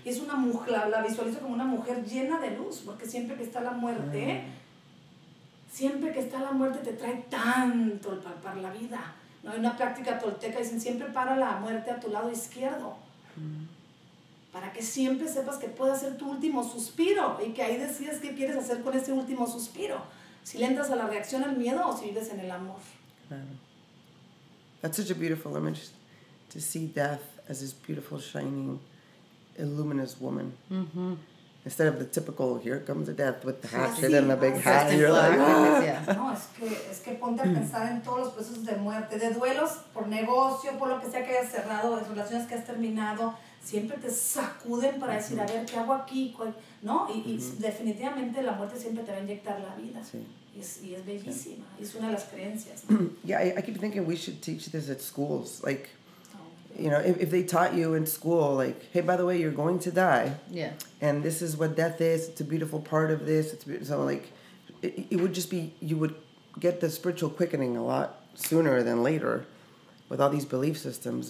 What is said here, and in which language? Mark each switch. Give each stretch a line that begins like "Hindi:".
Spanish: Es una mujer, la visualizo como una mujer llena de luz, porque siempre que está la muerte, siempre que está la muerte te trae tanto el palpar la vida. ¿No? Hay una práctica tolteca, dicen, siempre para la muerte a tu lado izquierdo. Para que siempre sepas que puede ser tu último suspiro y que ahí decides qué quieres hacer con ese último suspiro. Si le entras a la reacción al miedo o si vives en el amor. Claro.
English: That's such a beautiful image, to see death as this beautiful, shining, luminous woman. Mm-hmm. Instead of the typical, here comes the death with the hatchet
Spanish: sí,
English: and the big hat,
Spanish: sí,
English: and you're
Spanish: sí,
English: like,
Spanish: sí, ah! No, es que ponte a pensar en todos los procesos de muerte, de duelos por negocio, por lo que sea que hayas cerrado, de relaciones que has terminado, siempre te sacuden para mm-hmm. decir, a ver, ¿qué hago aquí? ¿Cuál? ¿No? Y, mm-hmm. y definitivamente la muerte siempre te va a inyectar la vida. Sí. Y es bellísima.
English: Yeah.
Spanish: Es una de las creencias.
English: Yeah, I keep thinking we should teach this at schools. Like, you know, if they taught you in school, like, hey, by the way, you're going to die. Yeah. And this is what death is. It's a beautiful part of this. So, like, it would just be, you would get the spiritual quickening a lot sooner than later with all these belief systems.